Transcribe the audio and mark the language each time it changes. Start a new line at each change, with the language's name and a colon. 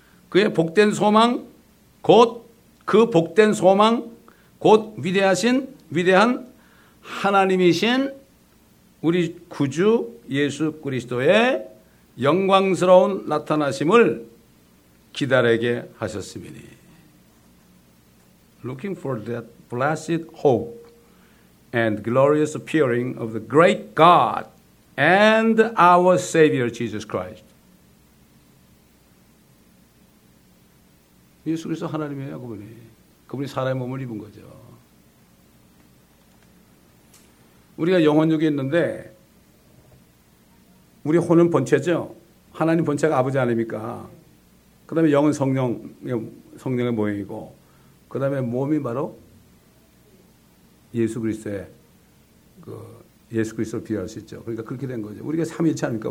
Korean: 그의 복된 소망 곧 그 복된 소망 곧 위대한 하나님이신 우리 구주 예수 그리스도의 영광스러운 나타나심을 기다리게 하셨음이니.
English: Looking for that blessed hope and glorious appearing of the great God and our Savior Jesus Christ.
Korean: 예수 그리스도 하나님이에요, 그분이. 그분이 사람의 몸을 입은 거죠. 우리가 영혼 육에 있는데 우리 혼은 본체죠. 하나님 본체가 아버지 아닙니까? 그 다음에 영은 성령의 모형이고 그 다음에 몸이 바로 예수 그리스도의 그 예수 그리스도를 비유할 수 있죠. 그러니까 그렇게 된 거죠. 우리가 삼위일체 아닙니까?